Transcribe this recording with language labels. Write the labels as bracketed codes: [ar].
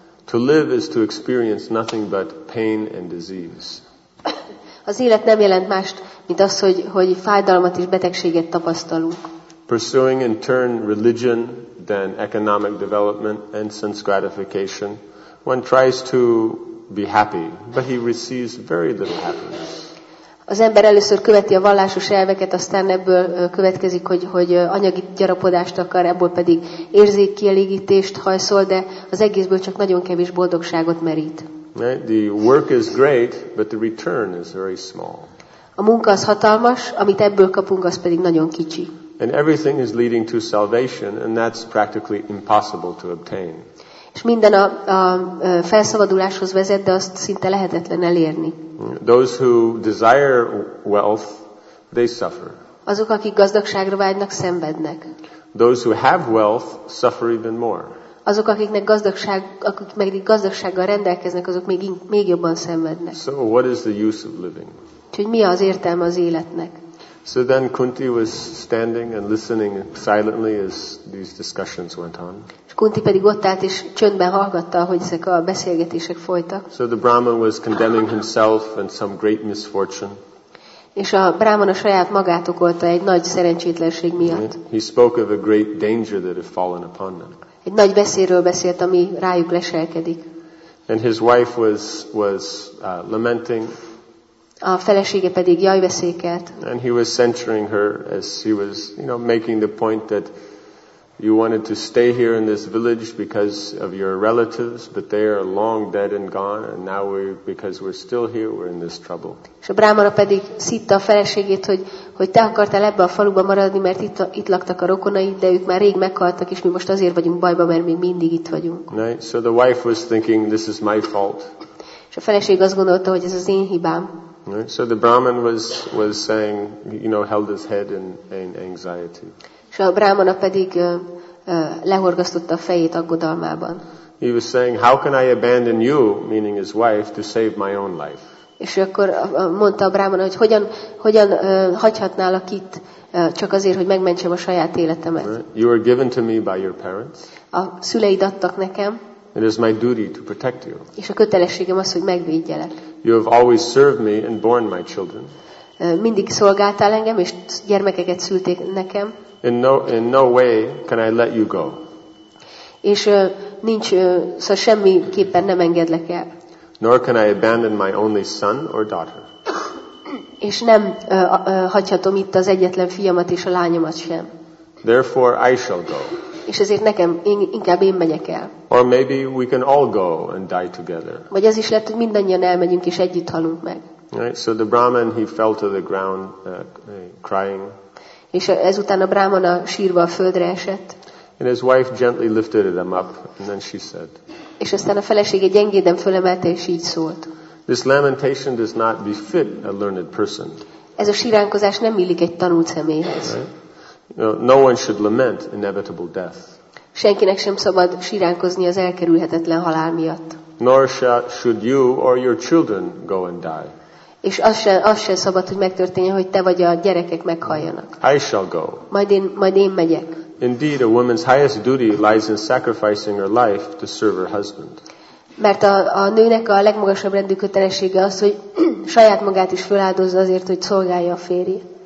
[en] To live is to experience nothing but pain and disease. [hu] Az élet nem jelent mást, mint az, hogy fájdalmat és betegséget tapasztalunk. [en] Pursuing in turn religion, then economic development and sense gratification, one tries to be happy, but he receives very little happiness. [hu] Az ember először követi a vallásos elveket, aztán ebből következik, hogy anyagi gyarapodást akar, ebből pedig érzékkielégítést hajszol, de az egészből csak nagyon kevés boldogságot merít. [en] Right? The work is great, but the return is very small. [hu] A munka az hatalmas, amit ebből kapunk, az pedig nagyon kicsi. [en] And everything is leading to salvation, and that's practically impossible to obtain. [hu] És minden a felszabaduláshoz vezet, de azt szinte lehetetlen elérni. [en] Those who desire wealth, they suffer. [hu] Azok, akik gazdagságra vágynak, szenvednek. [en] Those who have wealth, suffer even more. [hu] Azok, akik meg gazdagsággal rendelkeznek, azok még jobban szenvednek. [en] So what is the use of living? [hu] Úgyhogy mi az értelme az életnek? [en] So then Kunti was standing and listening silently as these discussions went on. [hu] És Kunti pedig ott állt és csöndben hallgatta, hogy ezek a beszélgetések folytak. [en] So the Brahman was condemning himself and some great misfortune. [hu] És a brámana saját magát okolta egy nagy szerencsétlenség miatt. [en] He spoke of a great danger that had fallen upon them. [hu] Egy nagy veszélyről beszélt, ami rájuk leselkedik. [en] And his wife was lamenting. [hu] A felesége pedig jajveszékelt. [en] And he was censuring her as he was, you know, making the point that you wanted to stay here in this village because of your relatives, but they are long dead and gone, and now because we're still here, we're in this trouble. [hu] És a brámana pedig szitta a feleségét, hogy te akartál ebbe a faluba maradni, mert itt laktak a rokonaid, de ők már rég meghaltak, és mi most azért vagyunk bajba, mert még mindig itt vagyunk. [en] Right? So the wife was thinking, this is my fault. [hu] És a feleség azt gondolta, hogy ez az én hibám. [en] Right? So the Brahman was saying, you know, held his head in anxiety. [hu] És a brámana pedig lehorgasztotta a fejét aggodalmában. [en] He was saying, how can I abandon you, meaning his wife, to save my own life? [hu] És akkor mondta a brámana, hogy hogyan hagyhatnálak itt csak azért, hogy megmentsem a saját életemet. [en] You are given to me by your parents. [hu] A szüleid adtak nekem. [en] It is my duty to protect you. [hu] És a kötelességem az, hogy megvédjelek. [en] You have always served me and borne my children. [hu] Mindig szolgáltál engem, és gyermekeket szülték nekem. [en] In no way can I let you go. [hu] És nincs, szóval semmiképpen nem engedlek el. [en] Nor can I abandon my only son or daughter. [hu] És nem hagyhatom itt az egyetlen fiamat és a lányomat sem. [en] Therefore I shall go. [hu] És ezért nekem inkább én megyek el. [en] Or maybe we can all go and die together. [hu] Vagy az is lehet, hogy mindannyian elmegyünk és együtt halunk meg. [en] Right, so the Brahman, he fell to the ground crying. [hu] És ezután a brámana sírva a földre esett. [en] And his wife gently lifted him up, and then she said. [hu] És aztán a felesége gyengéden fölemelte és így szólt. [en] This lamentation does not befit a learned person. [hu] Ez a síránkozás nem illik egy tanult személyhez. [en] No one should lament inevitable death. [hu] Senkinek sem szabad síránkozni az elkerülhetetlen halál miatt. [en] Nor should you or your children go and die. [hu] És az sem szabad, hogy megtörténjen, hogy te vagy a gyerekek meghaljanak. [en] I shall go. [hu] Majd én megyek. [en] Indeed, a woman's highest duty lies in sacrificing her life to serve her husband. [hu] Mert a nőnek a legmagasabb rendű kötelessége az, hogy saját magát is feláldozza azért, hogy szolgálja a férjét.